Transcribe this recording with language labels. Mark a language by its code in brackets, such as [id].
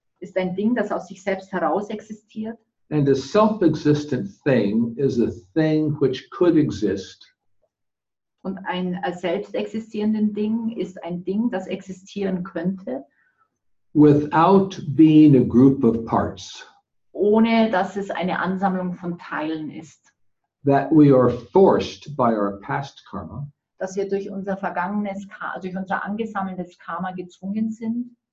[de] ist ein Ding, das aus sich selbst heraus existiert. [en] And a self-existent thing is a thing which could exist. [de] Und ein selbst existierendes Ding ist ein Ding, das existieren könnte, [en] without being a group of parts, [de] ohne dass es eine Ansammlung von Teilen ist. [en] That we are forced by our past karma, [de] dass wir durch unser vergangenes, durch unser angesammeltes Karma gezwungen sind,